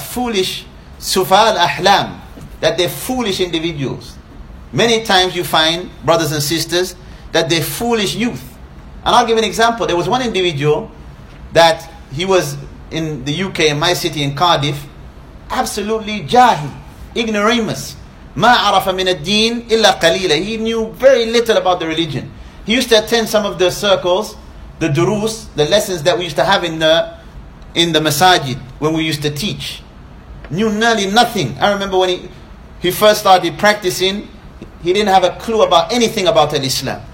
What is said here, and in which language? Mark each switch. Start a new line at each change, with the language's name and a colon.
English: Foolish Sufal Ahlam. That they're foolish individuals. Many times you find, brothers and sisters, that they're foolish youth. And I'll give an example. There was one individual that he was in the UK, in my city, in Cardiff, absolutely jahil, ignoramus.
Arabic: ما عرف من الدين إلا قليلا.
English: He knew very little about the religion. He used to attend some of the circles, the durus, the lessons that we used to have in the masajid, when we used to teach. Knew nearly nothing. I remember when he first started practicing, he didn't have a clue about anything about al-Islam.